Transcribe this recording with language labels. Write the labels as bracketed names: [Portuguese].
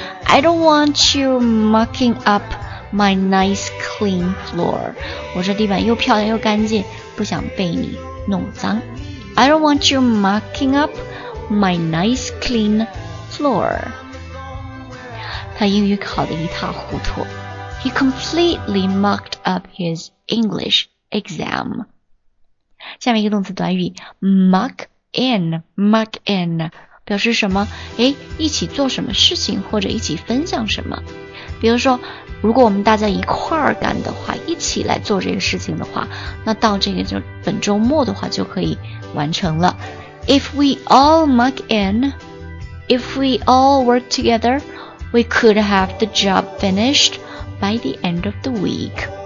[English] I don't want you mucking up my nice clean floor. [Chinese] 我这地板又漂亮又干净，不想被你弄脏。 [English] I don't want you mucking up my nice clean floor. [Chinese] 他英语考得一塌糊涂。 [English] He completely mucked up his English exam. [Chinese] 下面一个动词短语 muck. In, muck in, 表示什么？诶，一起做什么事情或者一起分享什么。比如说，如果我们大家一块儿干的话，一起来做这个事情的话，那到这个就本周末的话就可以完成了。 [English] If we all muck in, if we all work together, we could have the job finished by the end of the week.